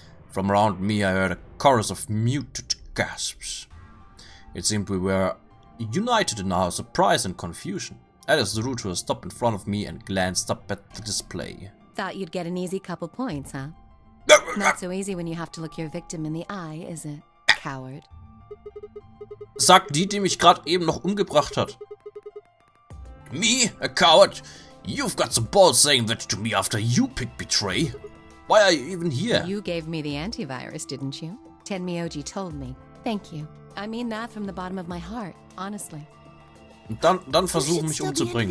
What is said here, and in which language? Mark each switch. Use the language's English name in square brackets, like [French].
[English] From around me, I heard a chorus of muted gasps. It seemed we were united in our surprise and confusion. Alice drew to a stop in front of me and glanced up at the display. Thought you'd get an easy couple points, huh? Not so easy when you have to look your victim in the eye, is it, coward? [German] Sagt die, die mich gerade eben noch umgebracht hat. [English] Me, a coward? You've got some balls saying that to me after you picked betray. Why are you even here? You gave me the antivirus, didn't you? Tenmyoji told me. Thank you. I mean that from the bottom of my heart, honestly. [German] Und dann versuchen mich umzubringen.